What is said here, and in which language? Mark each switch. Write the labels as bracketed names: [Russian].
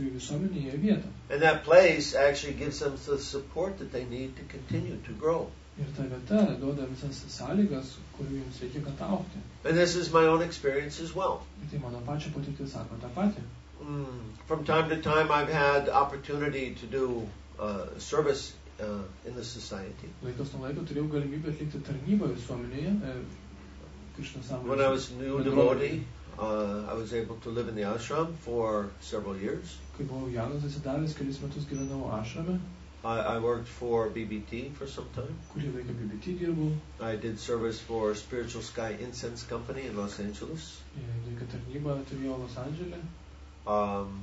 [English] And that place actually gives them the support that they need to continue to grow. [Lithuanian] Ir ta vieta duoda visas sąlygas, kurių jums reikia, kad augti. [English] And this is my own experience as well. [Lithuanian] Tai mano pačio patirtis sako tą patį. [English] From time to time I've had opportunity to do service in the society. [Lithuanian] Laikas nuo laiko turėjau galimybę atlikti tarnybą visuomenėje. [English] When I was a new devotee, I was able to live in the ashram for several years. [Lithuanian] Kai buvau jaunas atsidavęs, kelis metus gyvenau ašrame. [English] I worked for BBT for some time. [Lithuanian] Kurį laiką BBT dirbau. [English] I did service for Spiritual Sky Incense Company in Los Angeles. [Lithuanian] Laiką tarnybą turėjau Los Angeles.